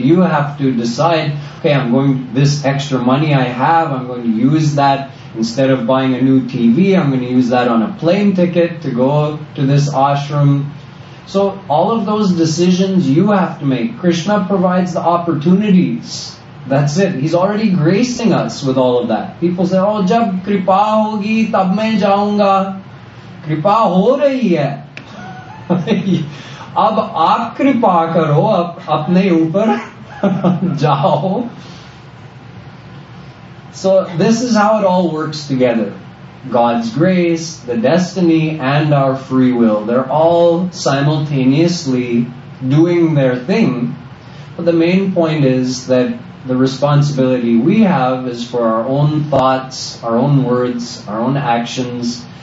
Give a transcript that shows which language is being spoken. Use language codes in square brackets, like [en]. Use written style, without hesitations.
[en] You have to decide, okay, I'm going, this extra money I have, I'm going to use that Instead of buying a new TV, I'm going to use that on a plane ticket to go to this ashram. So all of those decisions you have to make. Krishna provides the opportunities. That's it. He's already gracing us with all of that. People say, oh, [hi] जब कृपा होगी, तब मैं जाऊँगा. कृपा हो रही है. अब आप कृपा करो, अपने ऊपर जाओ. [en] So this is how it all works together. God's grace, the destiny, and our free will. They're all simultaneously doing their thing. But the main point is that the responsibility we have is for our own thoughts, our own words, our own actions.